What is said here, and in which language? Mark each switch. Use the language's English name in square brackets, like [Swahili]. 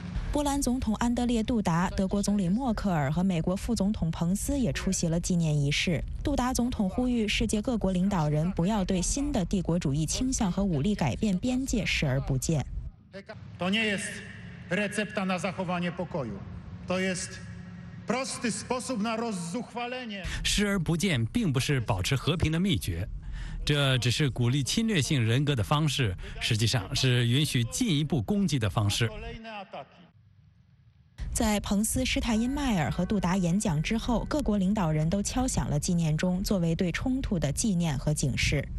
[Chinese] 波兰总统安德烈·杜达、德国总理默克尔和美国副总统彭斯也出席了纪念仪式。杜达总统呼吁世界各国领导人不要对新的帝国主义倾向和武力改变边界视而不见。 [Polish] To nie jest recepta na zachowanie pokoju. To jest prosty sposób na rozzuchwalenie. [Chinese] 视而不见并不是保持和平的秘诀。这只是鼓励侵略性人格的方式，实际上是允许进一步攻击的方式。在彭斯、施泰因迈尔和杜达演讲之后，各国领导人都敲响了纪念钟，作为对冲突的纪念和警示。